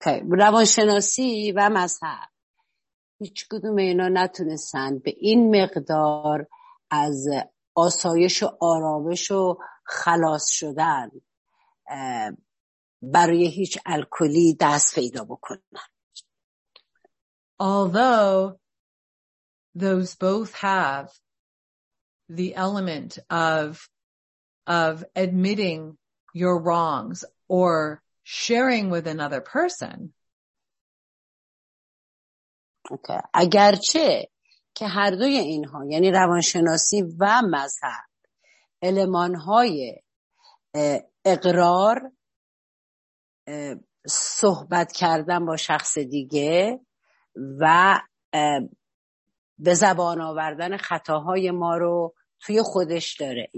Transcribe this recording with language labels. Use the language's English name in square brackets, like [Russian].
[Persian] روانشناسی و مذهب هیچ کدوم اینا نتونستن به این مقدار از آسایش و آرامش و خلاص شدن برای هیچ الکلی دست پیدا بکنن. [English] Although those both have the element of admitting your wrongs or sharing with another person. Okay. [Persian] اگرچه که هر دوی اینها یعنی روانشناسی و مذهب المانهای اقرار صحبت کردن با شخص دیگه و به زبان آوردن خطاهای ما رو توی خودش داره.